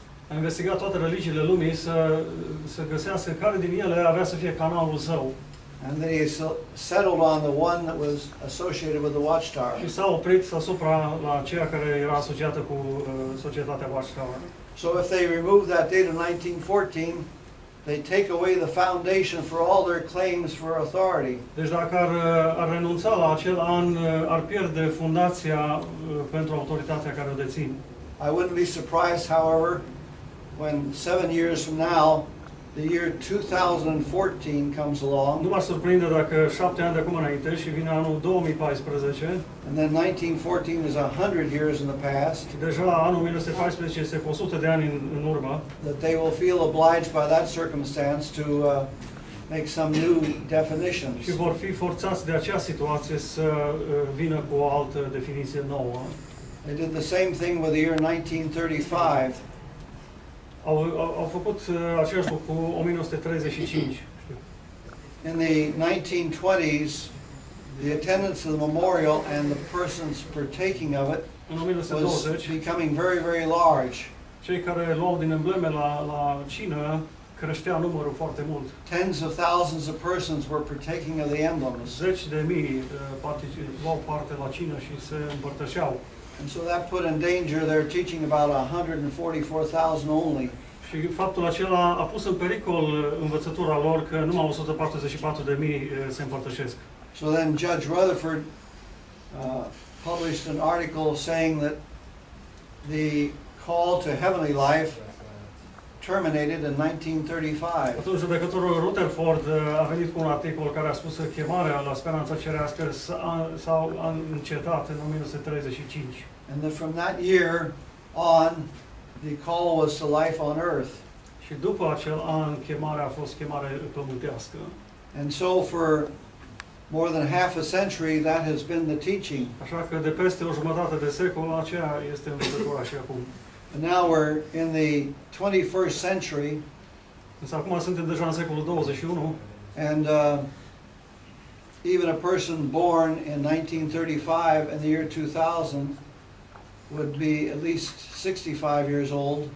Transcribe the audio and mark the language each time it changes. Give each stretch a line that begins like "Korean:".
Romanian: A investigat toate religiile lumii să găsească care din ele avea să fie canalul său.
English: And then he settled on the one that was associated with the Watchtower.
Romanian: Și s-a oprit asupra la aceea care era asociată cu societatea Watchtower.
English: So if they remove that date of 1914, they take away the foundation for all their claims for authority.
Romanian: Deci dacă ar renunța la acel an, ar pierde fundația pentru autoritatea care o dețin.
English: I wouldn't be surprised, however, when 7 years from now, the year 2014 comes along.
Romanian: Nu m-ar surprinde dacă 7 ani de acum înainte și vine anul 2014.
English: And then 1914 is 100 years in the past.
Romanian: Deja anul 1914 este 100 de ani în urmă.
English: That they will feel obliged by that circumstance to make some new definitions.
Romanian: Și vor fi forțați de acea situație să vină cu o altă definiție nouă.
English: They did the same thing with the year 1935.
Romanian: Au făcut același lucru cu 1935.
English: In the 1920s, the attendance of the memorial and the persons partaking of it was becoming very, very large.
Romanian: Cei care luau din embleme la cină creștea numărul foarte mult.
English: Tens of thousands of persons were partaking of the emblems.
Romanian: Zeci de mii luau parte la cină și se împărtășeau.
English: And so that put in danger their teaching about 144,000 only.
Romanian: Și faptul acela a pus în pericol învățătura lor că numai 144,000 se împărtășesc.
English: So then Judge Rutherford published an article saying that the call to heavenly life terminated in 1935.
Romanian: Atunci judecătorul Rutherford a venit cu un articol care a spus că chemarea la speranța cerească s-a încetat în 1935.
English: And then from that year on, the call was to life on earth.
Romanian: Și după acel an, chemarea a fost chemare pământească.
English: And so for more than half a century, that has been the teaching.
Romanian: Așa că de peste o jumătate de secol, aceea este învățătura și acum.
English: And now we're in the 21st century.
Romanian: Însă acum suntem deja în secolul 21.
English: And even a person born in 1935 in the year 2000 would be at least 65 years old.